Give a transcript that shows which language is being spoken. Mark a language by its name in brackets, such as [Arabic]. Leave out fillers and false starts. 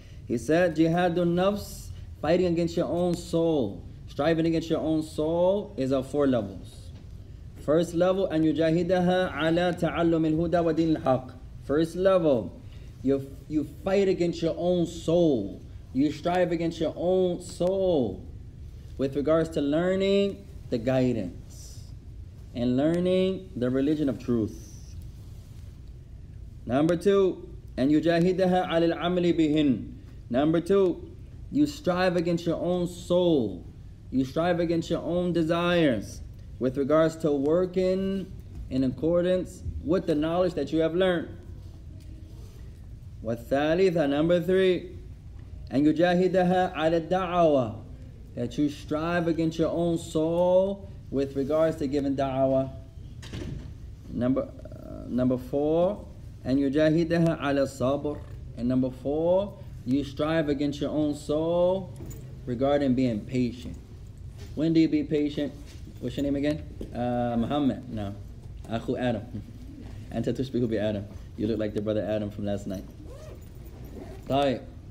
[English] He said, jihad al-nafs, fighting against your own soul, striving against your own soul, is of four levels. First level, [Arabic] أن يجاهدها على تعلم الهدى ودين الحق. [English] First level, you fight against your own soul. You strive against your own soul with regards to learning the guidance and learning the religion of truth. Number two, [Arabic] أن يجاهدها على العمل بهن. [English] Number two, you strive against your own soul. You strive against your own desires with regards to working in accordance with the knowledge that you have learned. [Arabic] والثالثة, [English] number three, [Arabic] أن يجاهدها على الدعوة, [English] that you strive against your own soul with regards to giving da'wah. Number four, [Arabic] أن يجاهدها على الصبر. [English] And number four, you strive against your own soul regarding being patient. When do you be patient? What's your name again? Muhammad. No. [Arabic] Akhu Adam. Anta tushbihu bi Adam. [English] You look like the brother Adam from last night. Tayyib.